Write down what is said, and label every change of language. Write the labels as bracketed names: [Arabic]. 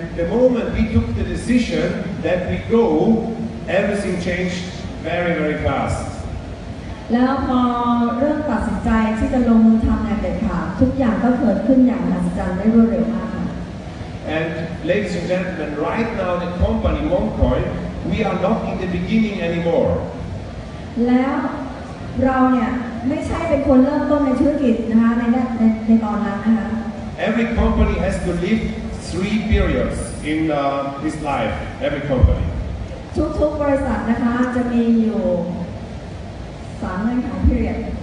[English] moment we took the decision that we go, everything changed very, very fast. [Thai] แล้วพอเริ่มตัดสินใจที่จะลงมือทำงานเด็ดขาดทุกอย่างก็เกิดขึ้นอย่างมหัศจรรย์ได้รวดเร็วมาก [English] And ladies and gentlemen, right now the company OneCoin, we are not in the beginning anymore. [Thai] แล้วเราเนี่ยไม่ใช่เป็นคนเริ่มต้นในธุรกิจนะคะในตอนนั้นนะคะ [English] Every company has to live. Three periods in this life, every company. [Thai] ทุกๆบริษัทนะคะจะมีอยู่3ในของ period.